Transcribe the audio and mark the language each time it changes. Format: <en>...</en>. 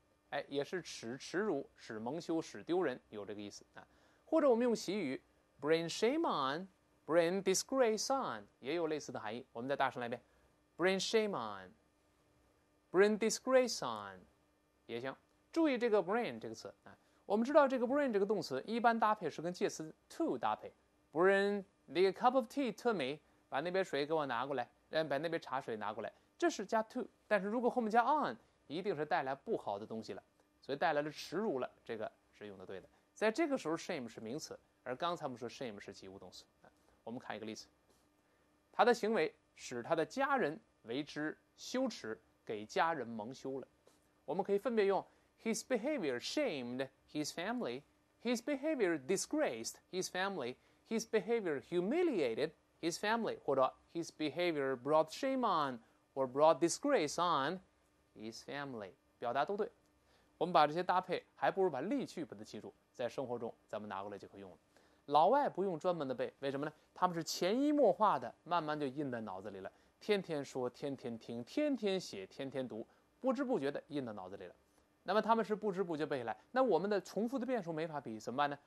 <zh>哎，也是耻耻辱、使蒙羞、使丢人，有这个意思啊。或者我们用习语 ， bring shame on， bring disgrace on，也有类似的含义。我们再大声来一遍 ， bring shame on， bring disgrace on，也行。注意这个 bring 这个词啊，我们知道这个 bring 这个动词一般搭配是跟介词 to 搭配。 Bring the cup of tea to me，把那杯水给我拿过来，把那杯茶水拿过来，这是加 to。但是如果后面加 on。一定是带来不好的东西了，所以带来了耻辱了，这个是用的对的。在这个时候 shame 是名词，而刚才我们说 shame 是及物动词。我们看一个例子，他的行为使他的家人为之羞耻，给家人蒙羞了。</zh> <en>我们可以分别用 his behavior shamed his family， his behavior disgraced his family， his behavior humiliated his family，或者 his behavior brought shame on or brought disgrace onHis family，表达都对。</en> <zh>我们把这些搭配，还不如把例句把它记住，在生活中咱们拿过来就可以用了。老外不用专门的背，为什么呢？他们是潜移默化的，慢慢就印在脑子里了。天天说，天天听，天天写，天天读，不知不觉的印在脑子里了。那么他们是不知不觉背下来，那我们的重复的变数没法比，怎么办呢？</zh>